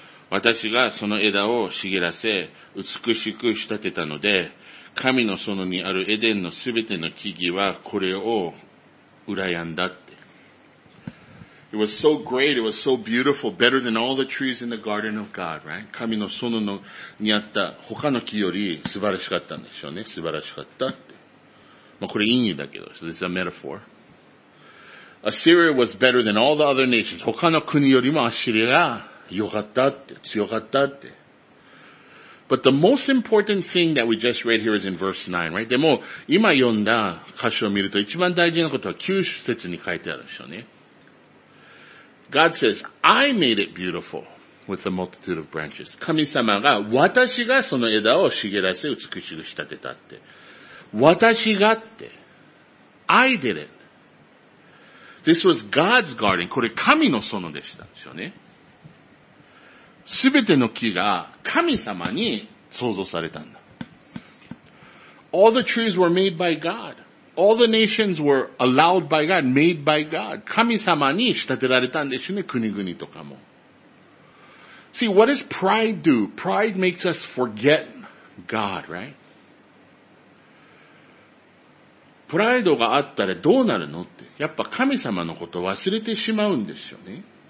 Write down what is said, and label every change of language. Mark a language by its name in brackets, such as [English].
[Japanese] 私がその枝を茂らせ、美しく仕立てたので、神の園にあるエデンのすべての木々はこれを羨んだって。 [English] It was so great, it was so beautiful, better than all the trees in the garden of God, right? [Japanese] 神の園のにあった他の木より素晴らしかったんでしょうね。素晴らしかったって。まあこれ隠喩だけど、 [English] so this is a metaphor. Assyria was better than all the other nations. [Japanese] 他の国よりもアッシリアが良かったって、強かったって。 [English] But the most important thing that we just read here is in verse 9, right? [Japanese] でも、今読んだ箇所を見ると一番大事なことは9節に書いてあるでしょうね。 [English] God says, I made it beautiful with a multitude of branches. [Japanese] 神様が私がその枝を茂らせ美しく仕立てたって。私がって。 [English] I did it. This was God's garden. [Japanese] これ神の園でしたでしょうね。すべての木が神様に創造されたんだ。 [English] All the trees were made by God. All the nations were allowed by God, made by God. [Japanese] 神様に仕立てられたんでしょうね、国々とかも。 [English] See, what does pride do? Pride makes us forget God, right? [Japanese] プライドがあったらどうなるのって。やっぱ神様のことを忘れてしまうんですよね。